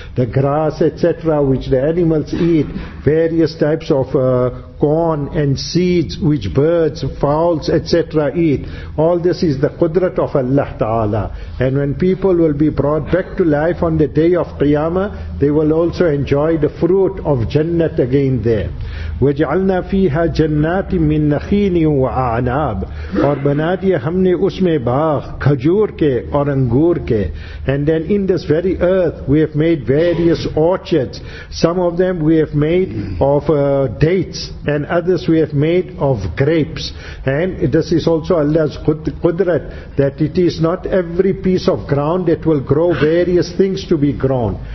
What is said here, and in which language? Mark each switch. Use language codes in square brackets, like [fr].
[en] The grass, etc., which the animals eat, various types of corn and seeds which birds, fowls, etc. eat. All this is the qudrat of Allah Ta'ala. And when people will be brought back to life on the day of Qiyamah, they will also enjoy the fruit of Jannat again there. [ar] وَجْعَلْنَا فِيهَا جَنَّاتٍ مِّن نَخِينٍ وَعَعْنَابٍ, [ur] اور بنا دیا ہم نے اس میں باغ کھجور کے اور انگور کے. [en] And then in this very earth we have made various orchards. Some of them we have made of dates, and others we have made of grapes. And this is also Allah's qudrat, that it is not every piece of ground that will grow various things to be grown.